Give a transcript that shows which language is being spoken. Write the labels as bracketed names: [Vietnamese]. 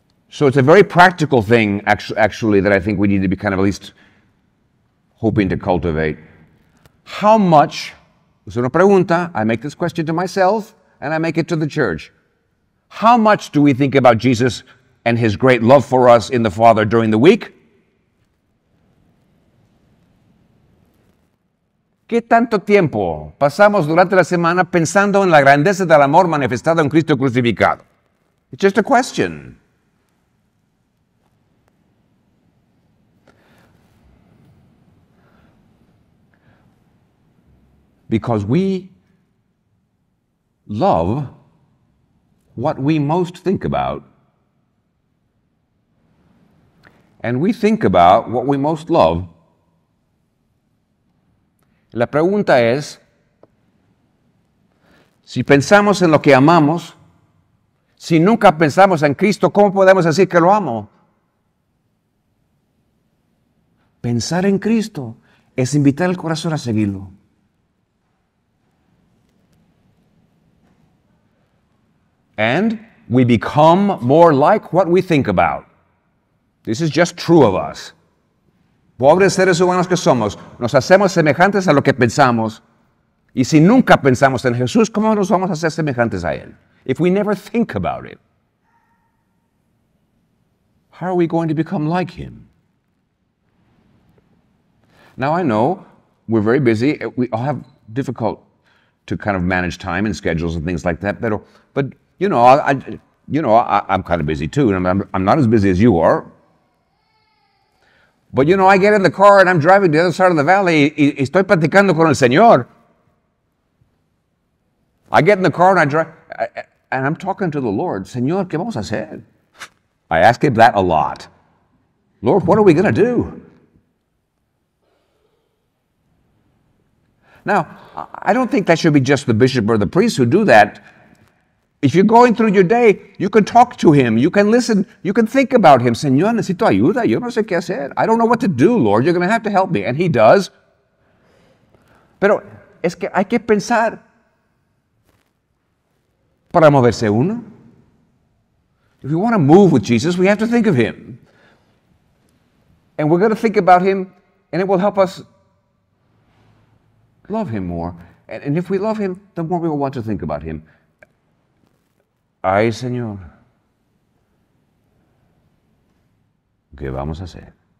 [English] So it's a very practical thing, actually, that I think we need to be kind of at least hoping to cultivate. How much, [Spanish] es una pregunta, [English] I make this question to myself, and I make it to the church. How much do we think about Jesus and his great love for us in the Father during the week? [Spanish] ¿Qué tanto tiempo pasamos durante la semana pensando en la grandeza del amor manifestado en Cristo crucificado? [English] It's just a question. Because we love what we most think about. And we think about what we most love. [Spanish] La pregunta es, si pensamos en lo que amamos, si nunca pensamos en Cristo, ¿cómo podemos decir que lo amo? Pensar en Cristo es invitar el corazón a seguirlo. [English] And we become more like what we think about. This is just true of us. [Spanish] Pobres seres humanos que somos, nos hacemos semejantes a lo que pensamos. Y si nunca pensamos en Jesús, ¿cómo nos vamos a hacer semejantes a Él? [English] If we never think about it, how are we going to become like Him? Now I know we're very busy. We all have difficult to kind of manage time and schedules and things like that, but you know, I'm kind of busy too, and I'm not as busy as you are. But you know, I get in the car and I'm driving to the other side of the valley [Spanish] y estoy platicando con el Señor. [English] I get in the car and I drive, and I'm talking to the Lord. [Spanish] Señor, ¿qué vamos a hacer? [English] I ask him that a lot. Lord, what are we going to do? Now, I don't think that should be just the bishop or the priest who do that. If you're going through your day, you can talk to him, you can listen, you can think about him. [Spanish] Señor, necesito ayuda, yo no sé qué hacer. [English] I don't know what to do, Lord, you're going to have to help me. And he does. [Spanish] Pero es que hay que pensar para moverse uno. [English] If you want to move with Jesus, we have to think of him. And we're going to think about him, and it will help us love him more. And if we love him, the more we will want to think about him. [Spanish] Ay, Señor, ¿qué vamos a hacer?